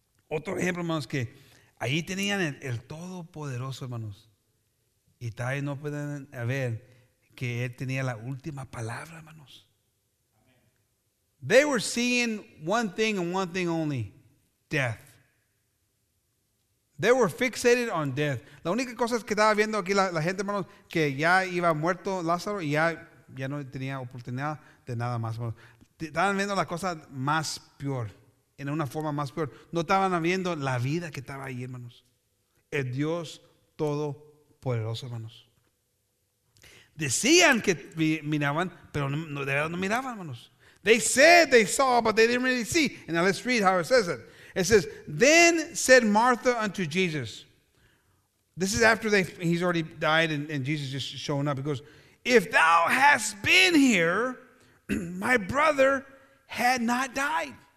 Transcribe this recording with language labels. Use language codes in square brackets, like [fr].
[es] Otro ejemplo, hermanos, que ahí tenían el Todopoderoso, hermanos. Y todavía no pueden ver que él tenía la última palabra, hermanos. Amen. [en] They were seeing one thing and one thing only, death. They were fixated on death. [es] La única cosa que estaba viendo aquí la gente, hermanos, que ya iba muerto Lázaro y ya no tenía oportunidad de nada más. Estaban viendo la cosa más peor, en una forma más peor. No estaban viendo la vida que estaba ahí, hermanos. El Dios Todopoderoso, hermanos. Decían que miraban, pero no, de verdad no miraban, hermanos. [en] They said they saw, but they didn't really see. And now let's read how it says it. It says, then said Martha unto Jesus. This is after he's already died and Jesus just showing up. He goes, if thou hast been here, my brother had not died.